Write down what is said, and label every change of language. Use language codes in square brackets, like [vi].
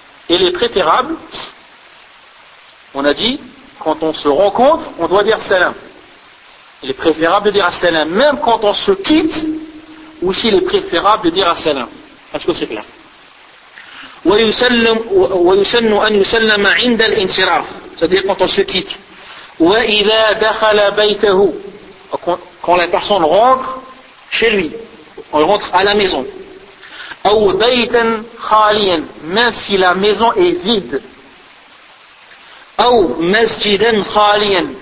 [fr] il est préférable on a dit quand on se rencontre on doit dire salam il est préférable de dire salam même quand on se quitte aussi il est préférable de dire salam est-ce que c'est clair [ar] ويسن أن يسلم عند الانصراف [fr] c'est-à-dire quand on se quitte [ar] وإذا دخل بيته [fr] quand la personne rentre chez lui on rentre à la maison [ar] أو بيتا خاليا [fr] même si la maison est vide [ar] أو مسجدا خاليا